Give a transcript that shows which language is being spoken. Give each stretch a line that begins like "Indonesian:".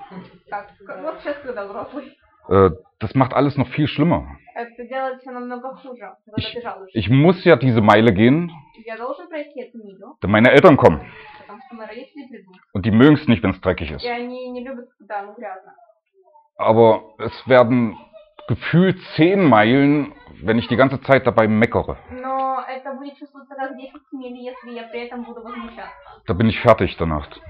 Russian: Вот сейчас, когда взрослый.
German: Das macht alles noch viel schlimmer.
Russian: Это делает все намного хуже.
German: Ich muss ja diese Meile gehen.
Russian: Я должен пройти эту милю.
German: Denn meine Eltern kommen.
Russian: Потому что мои родители придут.
German: Und die mögen es nicht, wenn es dreckig ist.
Russian: И они не любят, когда оно грязно.
German: Aber es werden gefühlt 10 Meilen, wenn ich die ganze Zeit dabei meckere. Da bin ich fertig danach.